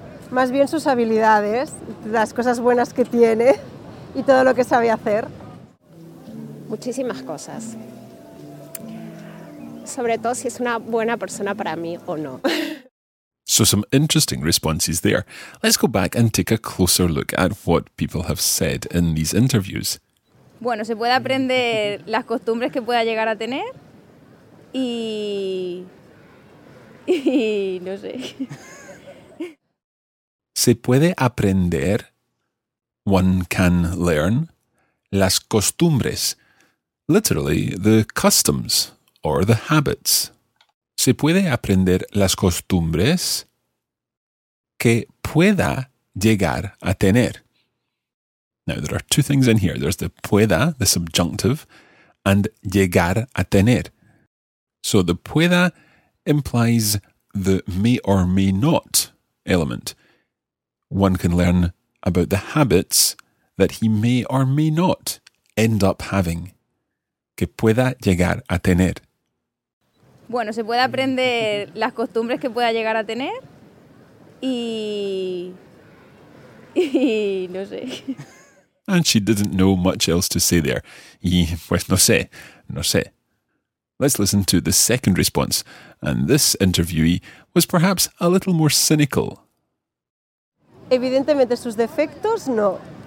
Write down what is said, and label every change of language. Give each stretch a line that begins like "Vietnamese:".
Spanish: Más bien sus habilidades, las cosas buenas que tiene y todo lo que sabe hacer. Muchísimas cosas. Sobre todo si es una buena persona para mí o no.
English: So some interesting responses there. Let's go back and take a closer look at what people have said in these interviews.
Spanish: Bueno, se puede aprender las costumbres que pueda llegar a tener y... Y... no sé. Se puede aprender,
English: one can learn,
Spanish: las costumbres.
English: Literally, the customs or the habits.
Spanish: Se puede aprender las costumbres que pueda llegar a tener.
English: Now, there are two things in here. There's the pueda, the subjunctive, and llegar a tener. So the pueda implies the may or may not element. One can learn about the habits that he may or may not end up having.
Spanish: Que pueda llegar a tener. Bueno, se puede aprender las costumbres que pueda llegar a tener y... Y... no sé...
English: And she didn't know much else to say there.
Spanish: Y, pues no sé, no sé.
English: Let's listen to the second response. And this interviewee was perhaps a little more cynical.
Spanish: Evidentemente sus defectos, no.